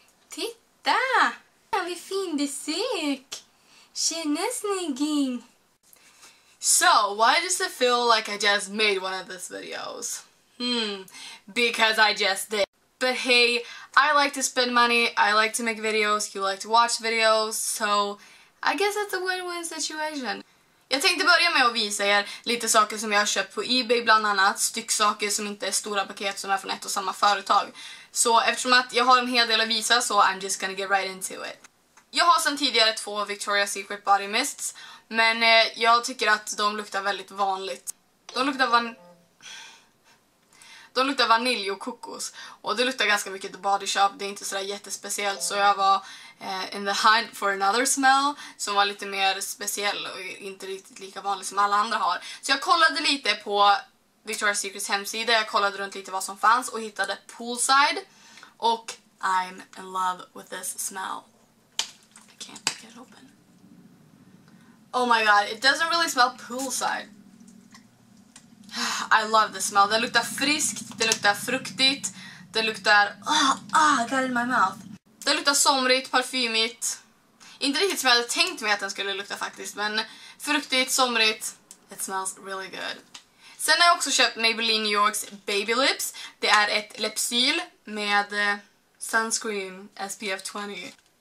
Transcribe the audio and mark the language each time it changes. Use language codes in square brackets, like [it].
[sv] Titta! Vi fin besök! Tjena snygging! [en] So, why does it feel like I just made one of these videos? Because I just did. But hey, I like to spend money, I like to make videos, you like to watch videos, so I guess it's a win-win situation. [sv] Jag tänkte börja med att visa er lite saker som jag har köpt på eBay bland annat. Stycksaker som inte är stora paket som är från ett och samma företag. Så eftersom att jag har en hel del att visa så [en] I'm just gonna get right into it. [sv] Jag har sedan tidigare två Victoria's Secret Body Mists. Men jag tycker att de luktar väldigt vanligt. De luktar vanilj och kokos. Och det luktar ganska mycket The Body Shop. Det är inte sådär jättespeciellt. Så jag var [en] in the hunt for another smell. [sv] Som var lite mer speciell. Och inte riktigt lika vanlig som alla andra har. Så jag kollade lite på Victoria's Secrets hemsida. Jag kollade runt lite vad som fanns. Och hittade Poolside. Och [en] I'm in love with this smell. I can't get it open. Oh my god. It doesn't really smell poolside. I love the smell. [sv] Det luktar friskt, det luktar fruktigt. Det luktar [en] I got it in my mouth. [sv] Det luktar somrigt, parfymigt. Inte riktigt som jag hade tänkt mig att den skulle lukta faktiskt, men fruktigt, somrigt. [en] It smells really good. [sv] Sen har jag också köpt Maybelline New Yorks Baby Lips. Det är ett lipsyl med sunscreen SPF 20.